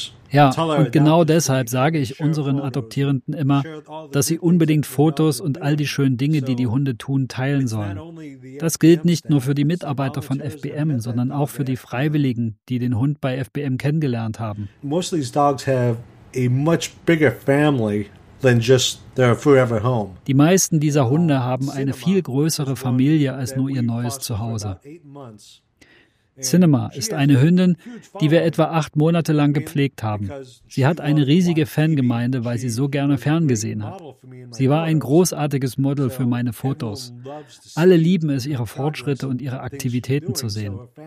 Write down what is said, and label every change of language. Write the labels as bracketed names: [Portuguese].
[German] Ja, und genau deshalb sage ich unseren Adoptierenden immer, dass sie unbedingt Fotos und all die schönen Dinge, die die Hunde tun, teilen sollen. Das gilt nicht nur für die Mitarbeiter von FBM, sondern auch für die Freiwilligen, die den Hund bei FBM kennengelernt haben. [English] Most of these dogs have a much bigger family. Than just their forever home. [German] Die meisten dieser Hunde haben eine viel größere Familie als nur ihr neues Zuhause. Cinema ist eine Hündin, die wir etwa 8 Monate lang gepflegt haben. Sie hat eine riesige Fangemeinde, weil sie so gerne ferngesehen hat. Sie war ein großartiges Model für meine Fotos. Alle lieben es, ihre Fortschritte und ihre Aktivitäten zu sehen.